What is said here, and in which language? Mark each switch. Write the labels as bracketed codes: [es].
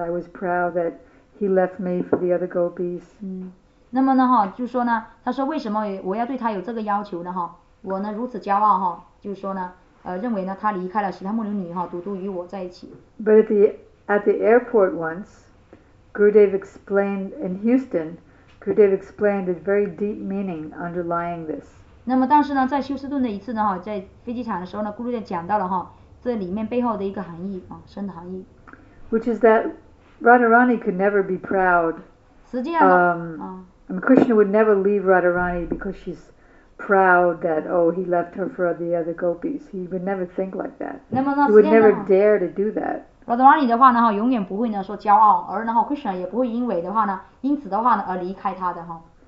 [en] I was proud that he left me for the other gopis. [zh] 那么呢哈，就说呢，他说为什么我要对他有这个要求呢哈？我呢如此骄傲哈，就是说呢，认为呢他离开了其他牧牛女哈，独独与我在一起。 [en] But at the airport once, Gurudev explained in Houston, Gurudev explained a very deep meaning underlying this. [zh] 那么当时呢，在休斯顿的一次呢哈，在飞机场的时候呢，古鲁德讲到了哈，这里面背后的一个含义深的含义。 [en] Which is that Radharani could never be proud. [zh] 实际上 [en] Krishna would never leave Radharani because she'sproud that, oh, he left her for the other gopis. He would never think like that. He would never dare to do that. [zh] Radharani 的话呢，永远不会呢说骄傲，而然后 Krishna 也不会因为的话呢，因此的话呢而离开他的哈。